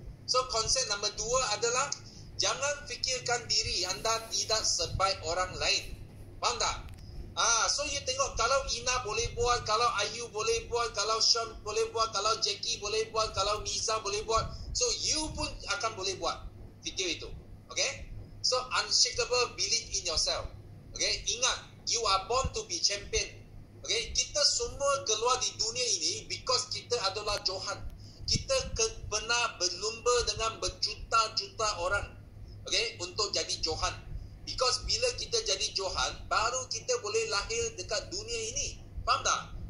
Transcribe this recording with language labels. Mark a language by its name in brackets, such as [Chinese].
[Malay] So konsep nombor 2 adalah, jangan fikirkan diri anda tidak sebaik orang lain. Faham tak? So you tengok, kalau Ina boleh buat, kalau Ayu boleh buat, kalau Sean boleh buat, kalau Jackie boleh buat, kalau Misa boleh buat, so you pun akan boleh buat. Fikir itu. Okay? [English] So unshakable belief in yourself. Okay? Ingat, you are born to be champion. Okay? [Malay] Kita semua keluar di dunia ini because kita adalah Johan. Kita pernah berlumba dengan berjuta-juta orang. Okay? Untuk jadi Johan. Because bila kita jadi Johan, baru kita boleh lahir dekat dunia ini. Faham tak?